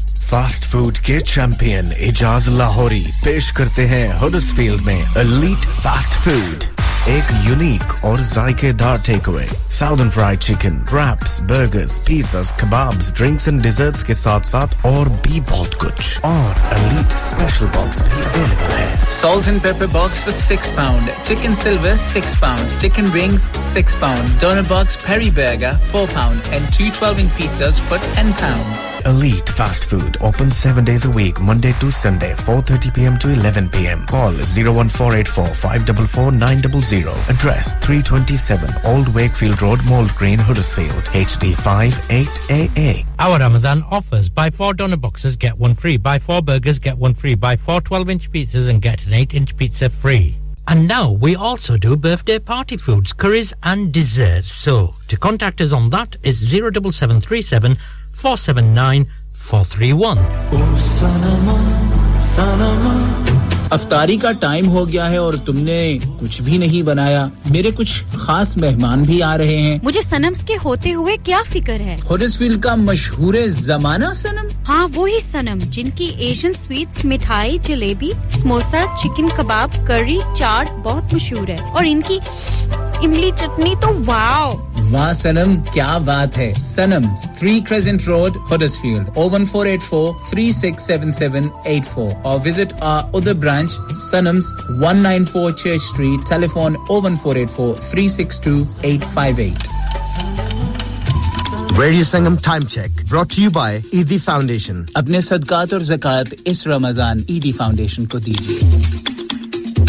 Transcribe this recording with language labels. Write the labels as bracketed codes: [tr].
[hi] Fast food के champion Ijaz Lahori पेश करते हैं हडर्सफील्ड में एलीट फास्ट फूड एक यूनिक और जायकेदार takeaway [en] southern fried chicken wraps burgers pizzas kebabs drinks and desserts [hi] के साथ-साथ और भी बहुत कुछ और एलीट स्पेशल बॉक्स भी अवेलेबल है [en] Salt and pepper box for 6 pound chicken silver 6 pound chicken rings 6 pound donut box peri burger 4 pound and 2 12 inch pizzas for 10 pound Elite Fast Food opens 7 days a week, Monday to Sunday, 4:30 p.m. to 11 p.m. Call 01484-544-900. Address 327 Old Wakefield Road, Mould Green, Huddersfield, HD58AA. Our Ramadan offers buy 4 doner boxes, get one free, buy 4 burgers, get one free, buy 4 12-inch pizzas and get an 8-inch pizza free. And now we also do birthday party foods, curries and desserts. So, to contact us on that is 07737-479-431 [hi] ओ सनमा सनमा इफ्तारी का time हो गया है और तुमने कुछ भी नहीं बनाया मेरे कुछ खास मेहमान भी आ रहे हैं मुझे सनम्स के होते हुए क्या फिक्र है हडर्सफील्ड का मशहूर जमाना सनम हां वही सनम जिनकी एशियन स्वीट्स मिठाई जलेबी समोसा चिकन कबाब करी चाट बहुत मशहूर है और इनकी इमली चटनी तो वाओ वाह सनम क्या बात है सनम 3 क्रेसेंट रोड हडर्सफील्ड 01484-367784 और [en] visit our other branch [hi] सनम्स 194 church street telephone 01484-362-858 [en] Radio Sangam Time Check brought to you by Eidi Foundation [hi] अपने सदकात और zakat इस रमजान Eidi Foundation को दीजिए